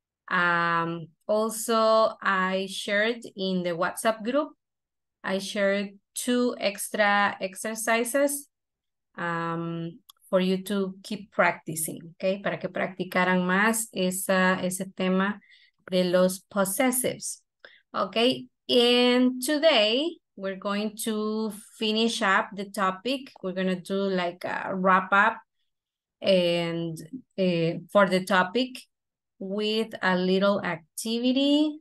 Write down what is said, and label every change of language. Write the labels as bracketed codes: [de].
[en] Also I shared in the WhatsApp group, I shared two extra exercises for you to keep practicing, okay? [es] Para que practicaran más ese tema de los possessives. [en] Okay? And today we're going to finish up the topic. We're going to do like a wrap up and for the topic with a little activity.